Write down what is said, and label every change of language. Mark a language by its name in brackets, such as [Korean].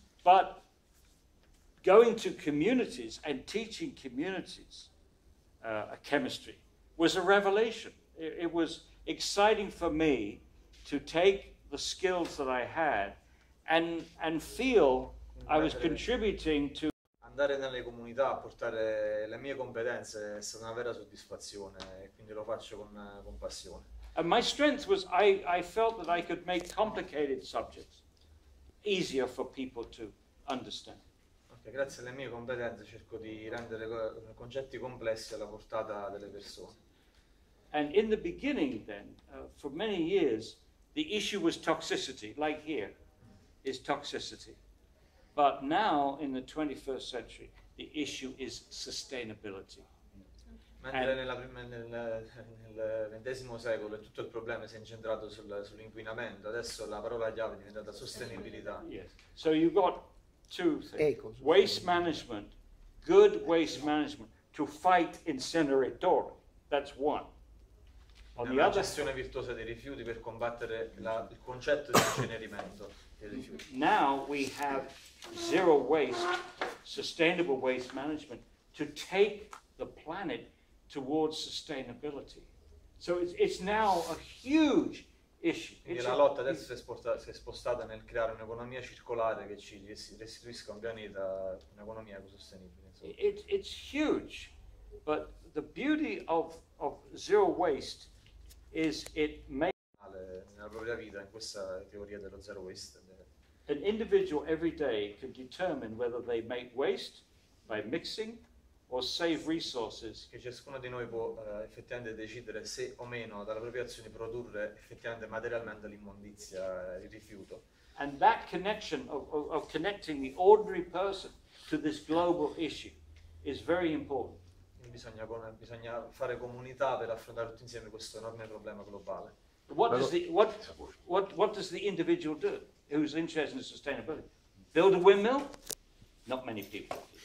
[English] But going to communities and teaching communities chemistry was a revelation. It was exciting for me to take the skills that I had and feel I was contributing to. [Italian] Andare nelle comunità a portare le mie competenze è stata una vera soddisfazione e quindi lo faccio con passione. [English] And my strength was I felt that I could make complicated subjects easier for people to understand. [Italian] Okay, grazie alle mie competenze cerco di rendere concetti complessi alla portata delle persone. [English] And in the beginning then, for many years, the issue was toxicity, like here, is toxicity. But now, in the 21st century, the issue is sustainability. [Italian] Mentre nel ventesimo secolo tutto il problema si è incentrato sull'inquinamento, adesso la parola chiave è diventata sostenibilità. [English] Yes. So you got two things. Waste management, good waste management, to fight incinerator, that's one. On the [Italian] una [English] other [Italian] gestione virtuosa dei rifiuti per combattere il concetto di incenerimento dei rifiuti. [English] Now we have zero waste, sustainable waste management to take the planet towards sustainability. So it's now a huge issue. [Italian] Quindi la lotta adesso si è spostata nel creare un'economia circolare che ci restituisca un pianeta, un'economia ecosostenibile. [English] It's huge, but the beauty of zero waste is it makes an individual every day can determine whether they make waste by mixing or save resources. [Italian] Che ciascuno di noi può effettivamente decidere se o meno dalla propria azione produrre effettivamente materialmente l'immondizia, il rifiuto. [English] And that connection of connecting the ordinary person to this global issue is very important. [Italian] Bisogna fare comunità per affrontare tutti insieme questo enorme problema globale. [English] What does the individual do who's interested in sustainability? Build a windmill? Not many people.